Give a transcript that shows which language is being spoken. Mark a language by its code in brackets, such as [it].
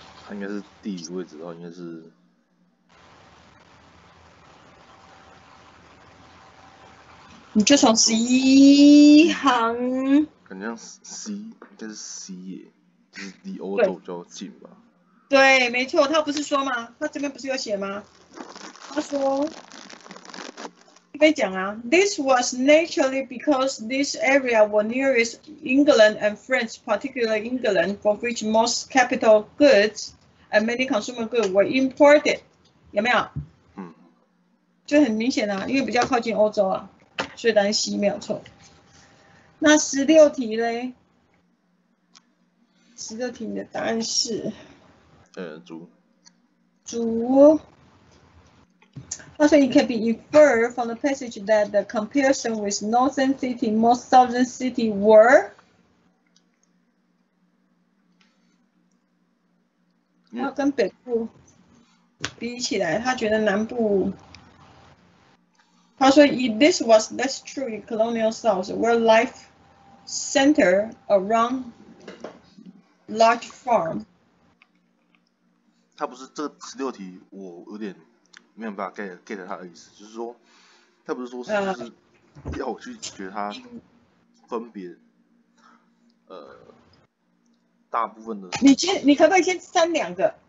[zh] 应该是地理位置的话，应该是你就从十一行，感觉像 C， 应该是 C 耶，就是离欧洲比较近吧。对，没错，他不是说吗？他这边不是有写吗？他说，可以讲啊 ， [en] This was naturally because this area was nearest England and France, particularly England, for which most capital goods. And many consumer goods were imported， [zh] 有没有？嗯，就很明显啊，因为比较靠近欧洲啊，所以答案 C 没有错。那十六题嘞？十六题的答案是，竹。竹。他说 ， [en] It can be inferred from the passage that the comparison with northern city, most southern city were。 [zh] 他跟北部比起来，他觉得南部。他说 ， [en] This was less true in colonial South, where life centered around large farm. [zh] 他不是这十六题，我有点没有办法 get 他的意思，就是说，他不是说是要我去觉得他分别大部分的。你可不可以先删两个？